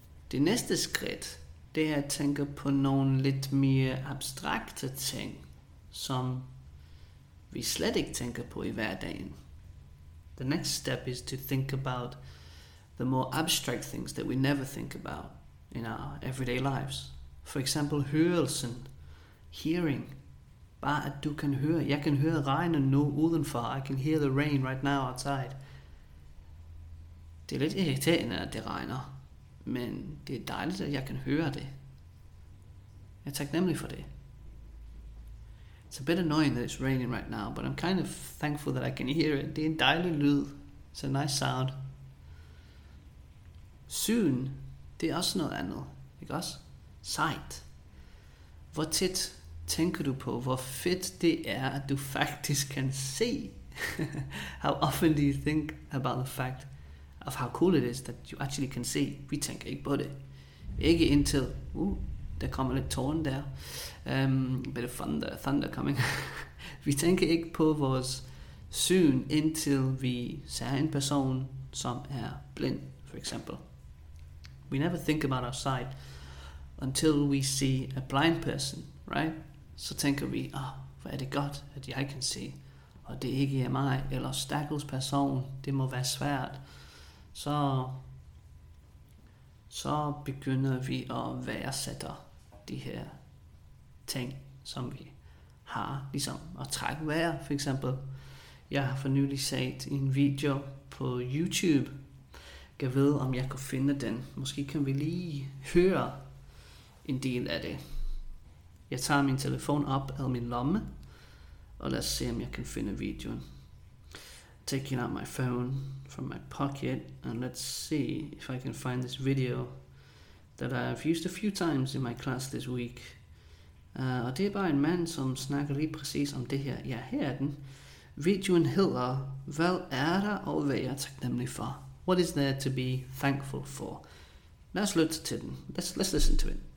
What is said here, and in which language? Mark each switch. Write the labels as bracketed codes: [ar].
[da] Det næste skridt, det er at tænke på nogle lidt mere abstrakte ting, som vi slet ikke tænker på i hverdagen. [en] The next step is to think about the more abstract things that we never think about in our everyday lives. For example, [da] hørelsen, hearing. Bare at du kan høre. Jeg kan høre regnen nu udenfor. [en] I can hear the rain right now outside. [da] Det er lidt irriterende, at det regner. Men det er dejligt, at jeg kan høre det. Jeg er taknemmelig for det. [en] It's a bit annoying that it's raining right now, but I'm kind of thankful that I can hear it. [da] Det er en dejlig lyd. [en] It's a nice sound. [da] Syn, det er også noget andet, ikke også? Sight. Hvor tit tænker du på, hvor fedt det er, at du faktisk kan se? [en] How often do you think about the fact of how cool it is that you actually can see? [da] Vi tænker ikke på det. Ikke indtil, der kommer lidt torden der. [en] A bit of thunder coming. [da] Vi tænker ikke på vores syn, indtil vi ser en person, som er blind, for eksempel. [en] We never think about our sight until we see a blind person, right? [da] Så tænker vi, hvor er det godt, at jeg kan se. Og det ikke er mig, eller stakkels person, det må være svært. Så begynder vi at værdsætte de her ting, som vi har, ligesom at trække vejret, for eksempel. Jeg har for nylig set en video på YouTube. Jeg ved, om jeg kan finde den. Måske kan vi lige høre en del af det. Jeg tager min telefon op af min lomme, og lad os se, om jeg kan finde videoen. [en] Taking out my phone from my pocket, and let's see if I can find this video that I've used a few times in my class this week. [da] Og det er bare en mand, som snakker lige præcis om det her. Ja, her er den. Videoen hedder, hvad er der og hvad jeg er taknemmelig for? [en] What is there to be thankful for? [da] Lad os lytte til den. [en] Let's listen to it.